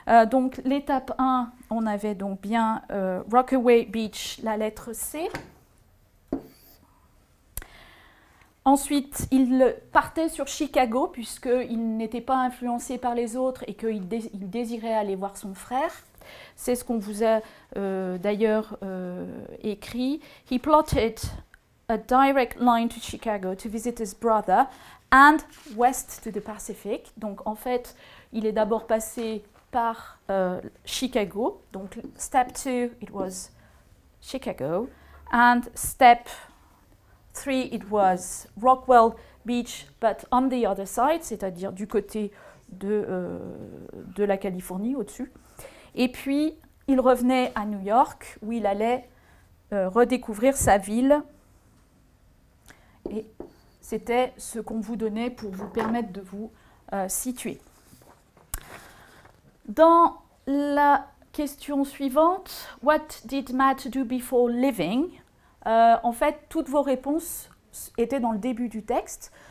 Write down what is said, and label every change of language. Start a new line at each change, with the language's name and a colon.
French: Donc, l'étape 1, on avait donc bien Rockaway Beach, la lettre C. Ensuite, il partait sur Chicago, puisqu'il n'était pas influencé par les autres et qu'il désirait aller voir son frère. C'est ce qu'on vous a d'ailleurs écrit.
English: He plotted a direct line to Chicago to visit his brother and west to the Pacific.
French: Donc, en fait, il est d'abord passé par Chicago, donc
English: step 2, it was Chicago, and step 3, it was Rockwell Beach, but on the other side,
French: c'est-à-dire du côté de la Californie, au-dessus. Et puis, il revenait à New York, où il allait redécouvrir sa ville. Et c'était ce qu'on vous donnait pour vous permettre de vous situer. Dans la question suivante,
English: What did Matt do before leaving?
French: En fait, toutes vos réponses étaient dans le début du texte.